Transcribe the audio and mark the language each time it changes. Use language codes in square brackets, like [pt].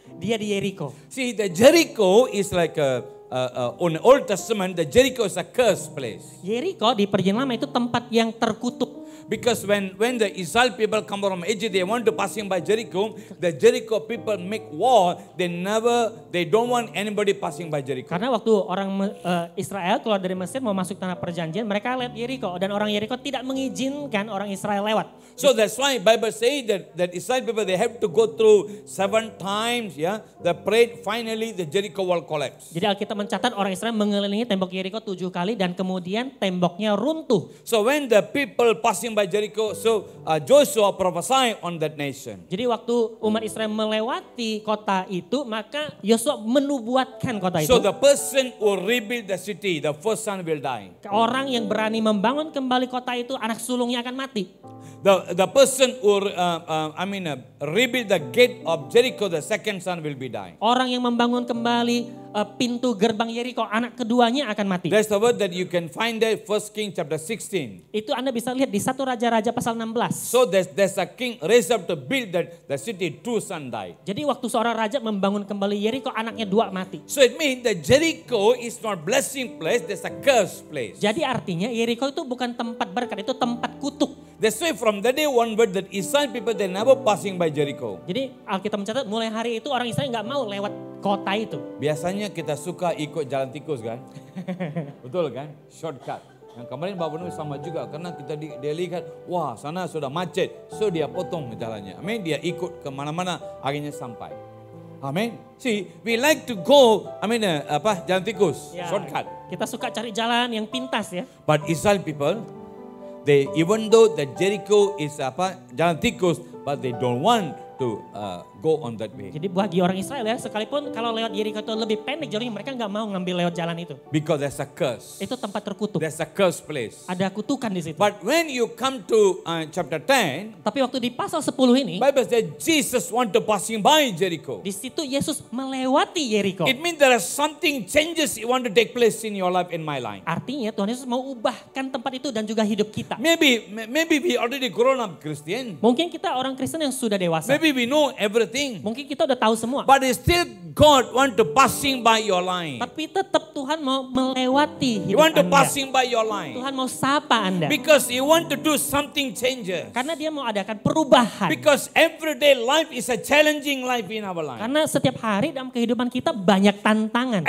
[id] Dia di Jericho. [en] See, the Jericho is like on Old Testament, the Jericho is a cursed place. [id] Jericho di Perjanjian Lama itu tempat yang terkutuk. [en] Because when the Israel people come from Egypt, they want to pass him by Jericho. The Jericho people make war. They don't want anybody passing by Jericho. [id] Karena waktu orang Israel keluar dari Mesir mau masuk tanah perjanjian, mereka lewat Jericho dan orang Jericho tidak mengizinkan orang Israel lewat. [en] So that's why Bible say that Israel people they have to go through 7 times, yeah. The parade finally the Jericho wall collapse. [id] Jadi Alkitab mencatat orang Israel mengelilingi tembok Jericho 7 kali dan kemudian temboknya runtuh. [en] So when the people passing by Jericho, so Joshua prophesy on that nation. [id] Jadi waktu umat Israel melewati kota itu, maka Yosua menubuatkan kota itu. [en] So the person who rebuild the city, the first son will die. [id] Orang yang berani membangun kembali kota itu, anak sulungnya akan mati. [en] The person who rebuild the gate of Jericho, the second son will be dying. [id] Orang yang membangun kembali pintu gerbang Jericho, anak keduanya akan mati. [en] That's the word that you can find there, 1 Kings chapter 16. [id] Itu Anda bisa lihat di 1 Raja-Raja pasal 16. [en] So there's a king raised up to build the city, 2 sons died. [id] Jadi waktu seorang raja membangun kembali Jericho, anaknya 2 mati. [en] So it means that Jericho is not blessing place, there's a curse place. [id] Jadi artinya Jericho itu bukan tempat berkat, itu tempat kutuk. [en] That's why from the day onward that Israel people they never passing by Jericho. [id] Jadi Alkitab mencatat mulai hari itu orang Israel enggak mau lewat kota itu. Biasanya kita suka ikut jalan tikus kan? Betul kan? Shortcut. Yang kemarin Bapak Nuh sama juga karena kita di Delhi kan, wah sana sudah macet. So dia potong jalannya. Amin. Dia ikut kemana-mana akhirnya sampai. Amin. [en] See, we like to go, [id] jalan tikus, [en] ya, shortcut. [id] Kita suka cari jalan yang pintas ya. [en] But Israel people, they even though the Jericho is [id] jalan tikus, [en] but they don't want to go on that way. [id] Jadi bagi orang Israel ya, sekalipun kalau lewat Jericho itu lebih pendek jalannya, mereka enggak mau ngambil lewat jalan itu. [en] Because there's a curse. [id] Itu tempat terkutuk. [en] There's a curse place. [id] Ada kutukan di situ. [en] But when you come to chapter 10, [id] tapi waktu di pasal 10 ini, [en] Bible says Jesus want to passing by Jericho. [id] Di situ Yesus melewati Jericho. [en] It means there is something changes he want to take place in your life and my life. [id] Artinya Tuhan Yesus mau ubahkan tempat itu dan juga hidup kita. [en] Maybe we already grown up Christian. [id] Mungkin kita orang Kristen yang sudah dewasa. [en] Maybe we know everything. [id] Mungkin kita udah tahu semua. [en] But it's still God want to passing by your line. [id] Tapi tetap Tuhan mau melewati hidup Anda. [en] He want to passing by your line. [id] Tuhan mau sapa Anda. [en] Because he want to do something changes. [id] Karena dia mau adakan perubahan. [en] Because everyday life is a challenging life in our life. [id] Karena setiap hari dalam kehidupan kita banyak tantangan.